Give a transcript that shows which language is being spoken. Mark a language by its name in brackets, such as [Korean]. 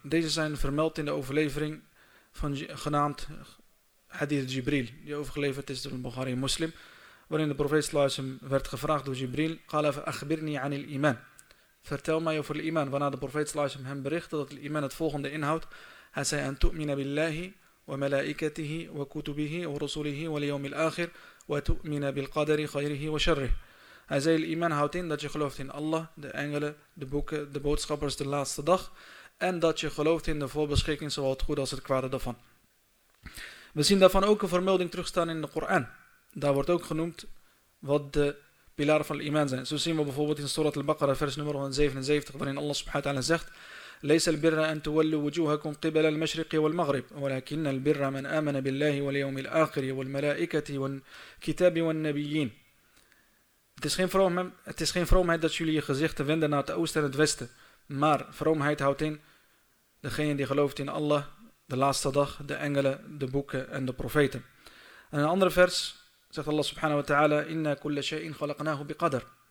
[Dutch] Deze zijn vermeld in de overlevering van genaamd Hadith Jibril. Die overgeleverd is door een Bukhari moslim. Waarin de profeet sallallahu alaihi wasallam werd gevraagd door Jibril. [Arabic] Qala fa akhbirni anil iman. [Dutch] Vertel mij over al-Iman. Waarna de profeet sallallahu alaihi wasallam hem berichtte dat al-Iman het volgende inhoudt. Hij zei [Arabic] an tu'mina billahi. وملائكته وكتبه ورسله واليوم الآخر وتؤمن بالقدر خيره وشره. [Dutch] Hij zei, iman houdt in dat je gelooft in Allah, de engelen, de boeken, de boodschappers, de laatste dag. En dat je gelooft in de voorbeschikking, zowel het goede als het kwade daarvan. We zien daarvan ook een vermelding terugstaan in de Koran. Daar wordt ook genoemd wat de pilaren van iman zijn. Zo zien we bijvoorbeeld in Surat al-Baqarah, vers nummer 177, waarin Allah subhanahu wa ta'ala zegt... [Arabic] ليس البر أن تولوا وجوهكم قبل المشرق والمغرب ولكن البر من آمن بالله واليوم الآخر والملائكة والكتاب والنبيين. [Dutch] Het is geen vroomheid dat jullie je gezichten wenden naar het oosten en het westen, maar vroomheid houdt in degene die gelooft in Allah, de laatste dag, de engelen, de boeken en de profeten. En een andere vers zegt Allah subhanahu wa ta'ala [Arabic] inna kulla shay'in khalaqnahu biqadr.